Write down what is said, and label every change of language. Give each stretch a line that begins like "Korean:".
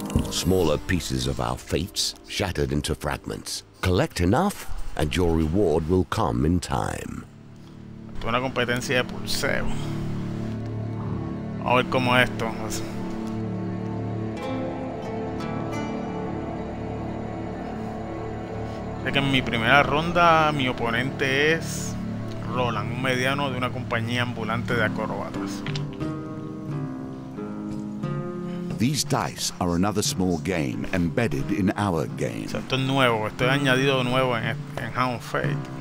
English: Smaller pieces of our fates shattered into fragments. Collect enough, and your reward will come in time.
Spanish: Una competencia de pulseo. A ver cómo es esto. Sé que en mi primera ronda mi oponente es Roland, un mediano de una compañía ambulante de acróbatas.
English: These dice are another small game embedded in our game.
Spanish: Esto es nuevo, esto es añadido nuevo en Hound Fate.